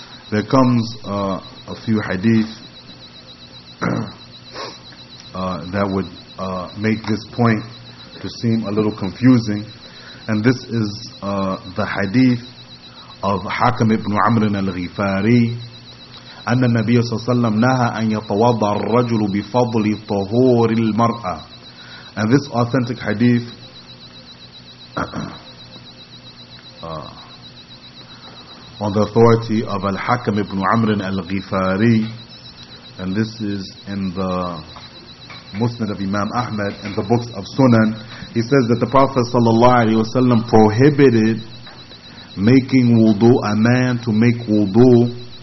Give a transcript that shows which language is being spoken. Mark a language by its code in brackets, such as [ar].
[en] There comes a few hadith that would make this point to seem a little confusing. And this is the hadith of Hakim ibn Amr al-Ghifari. [ar] أن النبي صلى الله عليه وسلم نهى أن يتوضأ الرجل بفضل طهور المرأة. [en] And this authentic hadith on the authority of Al-Hakam ibn Amr al-Ghifari, and this is in the Musnad of Imam Ahmad, in the books of Sunan, he says that the Prophet صلى الله عليه وسلم prohibited making wudu, a man to make wudu,